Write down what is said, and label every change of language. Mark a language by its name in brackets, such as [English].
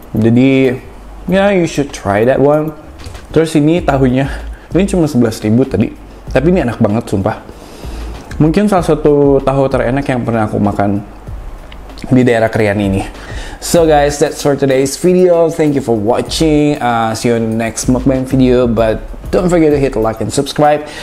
[English] Jadi yeah, you should try that one. [Indonesian] Terus ini tahunya, ini cuma 11.000 tadi. Tapi ini enak banget sumpah. Mungkin salah satu tahu terenak yang pernah aku makan di daerah Krian ini. [English] So guys, that's for today's video. Thank you for watching. See you in the next mukbang video. But don't forget to hit like and subscribe.